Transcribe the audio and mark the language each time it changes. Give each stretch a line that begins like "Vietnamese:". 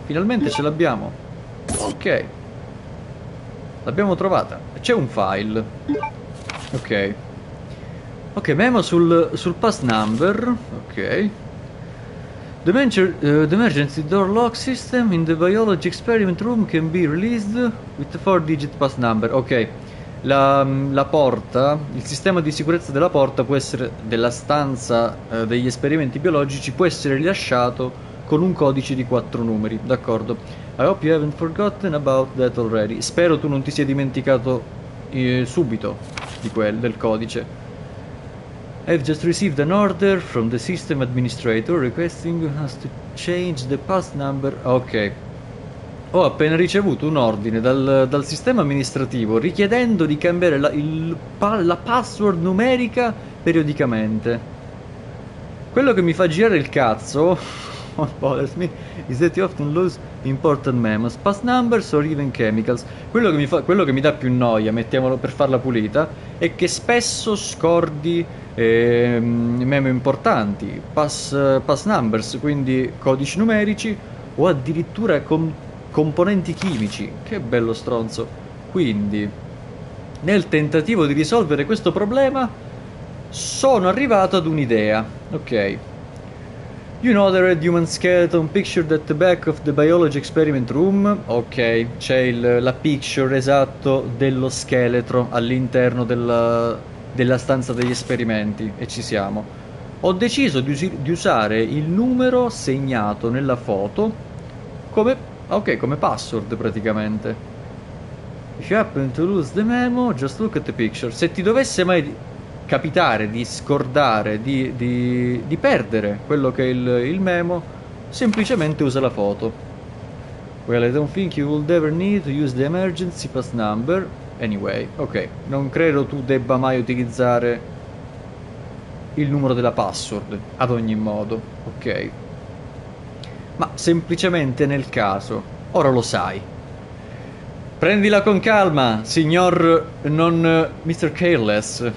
Italian: Finalmente ce l'abbiamo. Ok, l'abbiamo trovata. C'è un file. Ok. Ok, memo sul pass number. Ok.
English: The emergency door lock system in the biology experiment room can be released with a 4-digit pass number. Ok.
Italian: La porta, il sistema di sicurezza della porta può essere della stanza degli esperimenti biologici, può essere rilasciato con un codice di 4 numeri. D'accordo.
English: I hope you haven't forgotten about that already.
Italian: Spero tu non ti sia dimenticato subito di del codice.
English: I've just received an order from the system administrator requesting us to change the pass number. Ok.
Italian: Ho appena ricevuto un ordine dal sistema amministrativo richiedendo di cambiare la password numerica periodicamente. Quello che mi fa girare il cazzo
English: is that you often lose important memos, past numbers or even chemicals.
Italian: Quello che mi dà più noia, mettiamolo per farla pulita, è che spesso scordi memo importanti, past numbers, quindi codici numerici o addirittura componenti chimici. Che bello stronzo. Quindi, nel tentativo di risolvere questo problema, sono arrivato ad un'idea. Ok.
English: You know the red human skeleton pictured at the back of the biology experiment room?
Italian: Ok, c'è la picture esatto dello scheletro all'interno della stanza degli esperimenti. E ci siamo. Ho deciso di usare il numero segnato nella foto come... Ok, come password praticamente.
English: If you happen to lose the memo, just look at the picture.
Italian: Se ti dovesse mai capitare di scordare, di perdere quello che è il memo, semplicemente usa la foto.
English: Well, I don't think you would ever need to use the emergency pass number.
Italian: Anyway, ok, non credo tu debba mai utilizzare il numero della password, ad ogni modo, ok. Ma semplicemente nel caso, ora lo sai. Prendila con calma, signor... non... Mr. Careless.